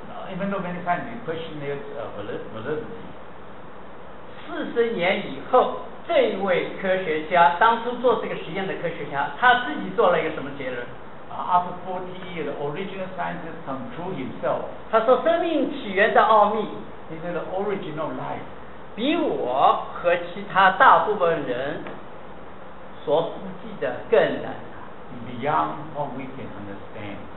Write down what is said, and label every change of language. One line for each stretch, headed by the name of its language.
English: Even though many times you question its validity
Chinese: 四十年以后这一位科学家当初做这个实验的科学家他自己做了一个什么结论
English: After 40 years, the original scientist concluded himself.
Chinese: 他说生命起源的奥秘
English: He said the origin of life.
Chinese: 比我和其他大部分人所知记的更难。
English: Beyond what we can understand.